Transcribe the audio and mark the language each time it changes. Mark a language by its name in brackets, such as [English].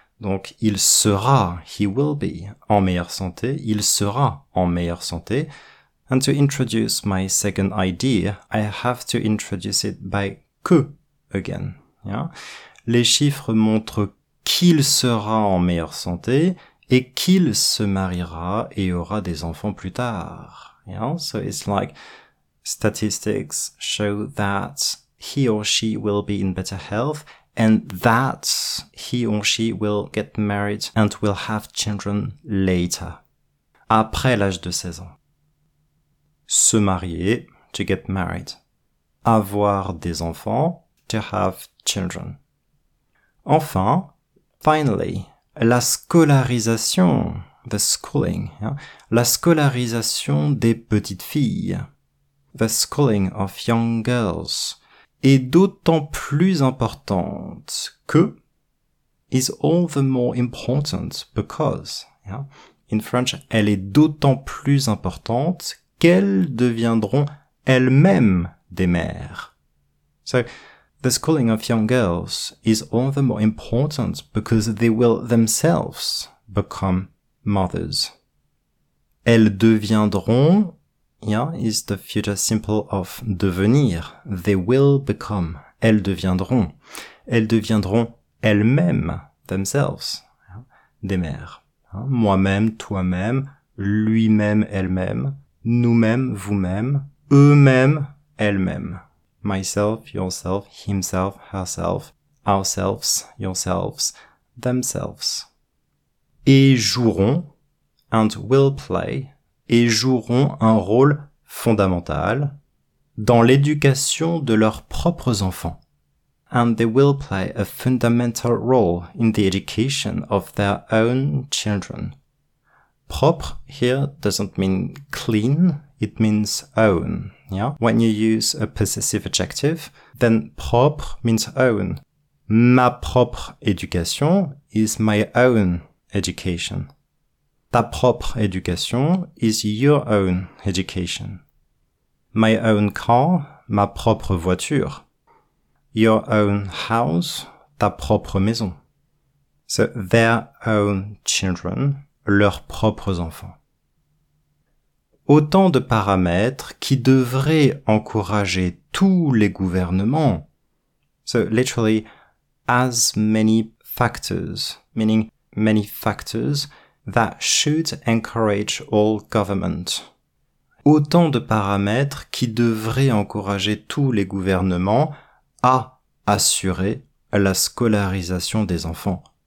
[French] Donc, il sera, [English] he will be, [French] en meilleure santé, il sera en meilleure santé. [English] And to introduce my second idea, I have to introduce it by que again. Yeah. [French] Les chiffres montrent qu'il sera en meilleure santé et qu'il se mariera et aura des enfants plus tard. [English] Yeah. So it's like statistics show that he or she will be in better health and that he or she will get married and will have children later. [French] Après l'âge de 16 ans. Se marier, [English] to get married. [French] Avoir des enfants, [English] to have children. [French] Enfin, [English] finally, la scolarisation, the schooling, yeah, [French] la scolarisation des petites filles, [English] the schooling of young girls, [French] est d'autant plus importante que, [English] is all the more important because, yeah. In French, [French] elle est d'autant plus importante qu'elles deviendront elles-mêmes des mères. [English] So, the schooling of young girls is all the more important because they will themselves become mothers. [French] Elles deviendront, [English] yeah, is the future simple of devenir. They will become. [French] Elles deviendront. Elles deviendront elles-mêmes, [English] themselves, [French] yeah, des mères. Hein? Moi-même, toi-même, lui-même, elle-même. Nous-mêmes, vous-mêmes, eux-mêmes, elles-mêmes. [English] Myself, yourself, himself, herself, ourselves, yourselves, themselves. [French] Et joueront, [English] and will play, [French] et joueront un rôle fondamental dans l'éducation de leurs propres enfants. [English] And they will play a fundamental role in the education of their own children. Propre here doesn't mean clean, it means own. Yeah. When you use a possessive adjective, then propre means own. [French] Ma propre éducation [English] is my own education. [French] Ta propre éducation [English] is your own education. My own car, [French] ma propre voiture. [English] Your own house, [French] ta propre maison. [English] So their own children, [French] leurs propres enfants. Autant de paramètres qui devraient encourager tous les gouvernements. [English] So, literally, as many factors, meaning many factors that should encourage all governments. [French] Autant de paramètres qui devraient encourager tous les gouvernements à assurer la scolarisation des enfants.